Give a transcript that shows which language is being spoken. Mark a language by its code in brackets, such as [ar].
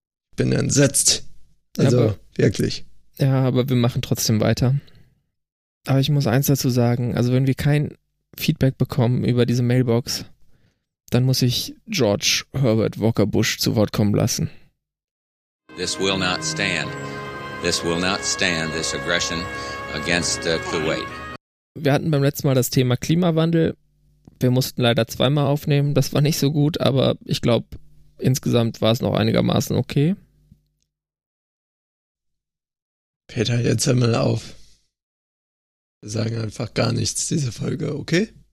[de] Ich bin entsetzt. Also, aber, wirklich. Ja, aber wir machen trotzdem weiter. Aber ich muss eins dazu sagen, also wenn wir kein Feedback bekommen über diese Mailbox, dann muss ich George Herbert Walker Bush zu Wort kommen lassen. [en] This will not stand. This will not stand, this aggression against Kuwait. [de] Wir hatten beim letzten Mal das Thema Klimawandel. Wir mussten leider zweimal aufnehmen. Das war nicht so gut, aber ich glaube, insgesamt war es noch einigermaßen okay. Peter, jetzt hör mal auf. Wir sagen einfach gar nichts diese Folge, okay?